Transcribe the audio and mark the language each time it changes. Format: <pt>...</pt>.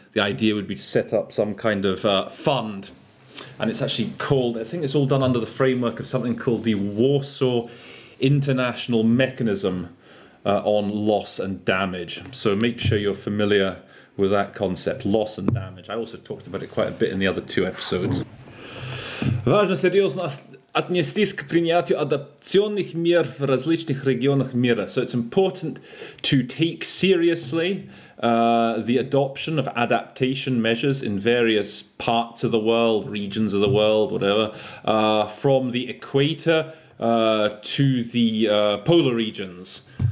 <en>The idea would be to set up some kind of fund, and it's actually called, I think it's all done under the framework of something called the Warsaw International Mechanism on Loss and Damage. So make sure you're familiar with that concept, loss and damage. I also talked about it quite a bit in the other two episodes.</en> <ru>Важно серьезно отнестись к принятию адаптационных мер в различных регионах мира.</ru> <en>So it's important to take seriously the adoption of adaptation measures in various parts of the world, regions of the world, whatever, from the equator to the polar regions.</en>